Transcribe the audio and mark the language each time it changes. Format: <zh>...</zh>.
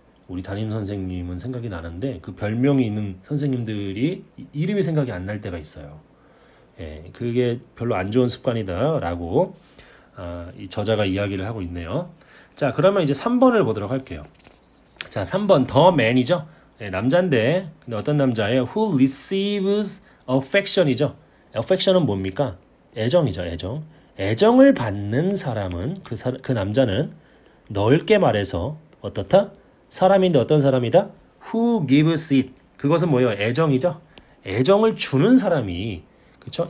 <ko>우리 담임 선생님은 생각이 나는데 그 별명이 있는 선생님들이 이름이 생각이 안날 때가 있어요. 예, 그게 별로 안 좋은 습관이다라고 이 저자가 이야기를 하고 있네요. 자, 그러면 이제 3번을 보도록 할게요. 자, 3번 더 맨이죠. 예, 남자인데 근데 어떤 남자예요?</ko> <en>Who receives affection이죠.</en> <ko>affection은 뭡니까? 애정이죠, 애정. 애정을 받는 사람은 그 남자는 넓게 말해서 어떻다? 사람인데 어떤 사람이다?</ko> <en>Who gives it?</en> <ko>그것은 뭐예요? 애정이죠? 애정을 주는 사람이, 그쵸?</ko>